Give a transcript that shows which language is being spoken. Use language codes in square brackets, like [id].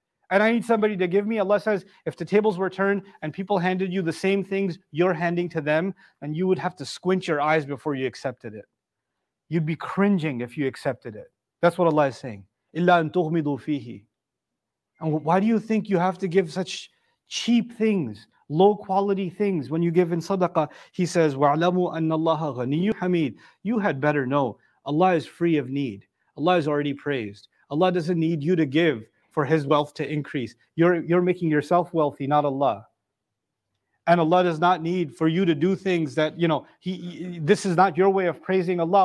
[en] And I need somebody to give me. Allah says, if the tables were turned and people handed you the same things you're handing to them, then you would have to squint your eyes before you accepted it. You'd be cringing if you accepted it. That's what Allah is saying. [ar] إِلَّا أَن تُغْمِضُوا فِيهِ. [en] And why do you think you have to give such cheap things, low quality things when you give in sadaqah? He says, [ar] وَعْلَمُوا أَنَّ اللَّهَ غَنِيُّ حَمِيدٌ. [en] You had better know, Allah is free of need. Allah is already praised. Allah doesn't need you to give for His wealth to increase. You're making yourself wealthy, not Allah. And Allah does not need for you to do things that, you know, this is not your way of praising Allah.